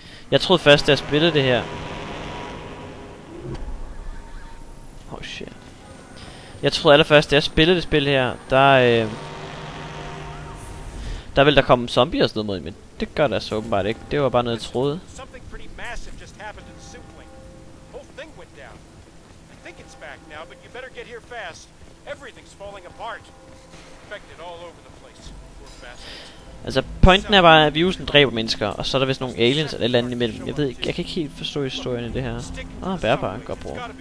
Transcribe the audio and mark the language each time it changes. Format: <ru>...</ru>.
<da>Jeg troede først, da jeg spillede det her.</da> <en>Oh shit.</en> <da>Jeg troede allerførst, da jeg spillede det spil her, der ville der komme zombier og sådan noget mod, men det gør der så åbenbart ikke. Det var bare noget, jeg troede.</da> <en>Something pretty massive just happened in Suplink. Whole thing went down. I think it's back now, but you better get here fast. Everything's falling apart. Infected all over the place. Poor bastards.</en> <da>Altså, pointen er bare, at virusen dræber mennesker, og så er der vist nogle aliens eller et eller andet imellem. Jeg ved ikke, jeg kan ikke helt forstå historien i det her. Bærbar, godt brug.</da>